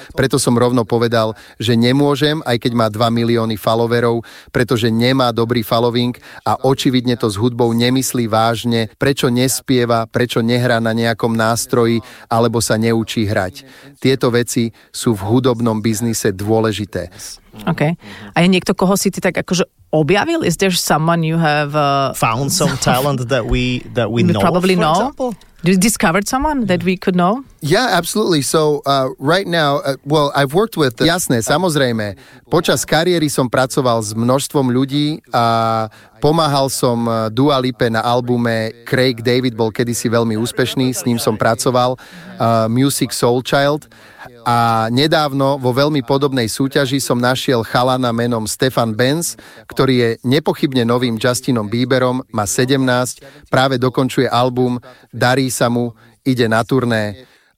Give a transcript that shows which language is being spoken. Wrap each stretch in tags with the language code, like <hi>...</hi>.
<sk>Preto som rovno povedal, že nemôžem, aj keď má 2 milióny followerov, pretože nemá dobrý following a očividne to z hudbou nemyslí vážne, prečo nespieva, prečo nehrá na nejakom nástroji alebo sa neučí hrať. Tieto veci sú v hudobnom biznise dôležité. OK. A je niekto, koho si ty tak akože objavil?</sk> <en>Is there someone you have found some talent that we know? Probably for know. Example? You discovered someone that we could know? Yeah, absolutely. So right now, I've worked with</en> <sk>Jasné, samozrejme. Počas kariéry som pracoval s množstvom ľudí a pomáhal som Dua Lipe na albume Craig David bol kedysi veľmi úspešný, s ním som pracoval Music Soul Child. A nedávno vo veľmi podobnej súťaži som našiel chalana menom Stefan Benz, ktorý je nepochybne novým Justinom Bieberom, má 17, práve dokončuje album, darí sa mu, ide na turné.</sk>